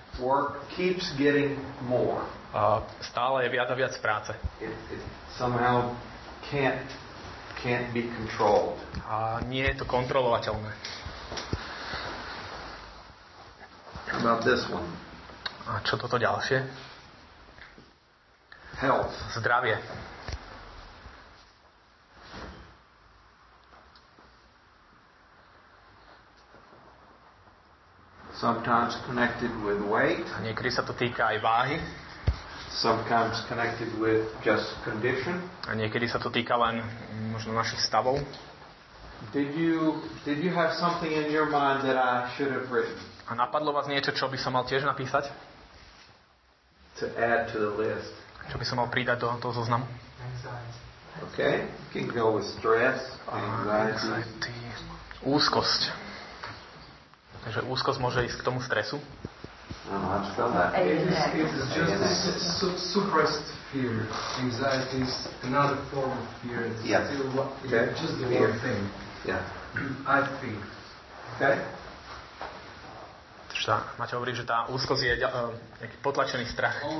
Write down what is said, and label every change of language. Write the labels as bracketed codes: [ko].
[en] Work keeps getting more. [sk] Stále je viac a viac práce. [en] It somehow can't be controlled. [sk] A nie je to kontrolovateľné. [en] How about this one? [sk] A čo toto ďalšie? [en] Health. [sk] Zdravie. [en] Sometimes connected with weight. [sk] A niekedy sa to týka aj váhy. [en] Sometimes connected with just condition. [sk] A niekedy sa to týka len možno našich stavov. [en] Did you have something in your mind that I should have written? [sk] A napadlo vás niečo, čo by som mal tiež napísať? [en] To add to the list. [sk] Čo by som mal pridať do toho zoznamu? [en] Okay. You can go with stress, anxiety. [sk] Úzkosť. Takže úzkosť môže ísť k tomu stresu. Maťo hovorí, že tá úzkosť je nejaký potlačený strach.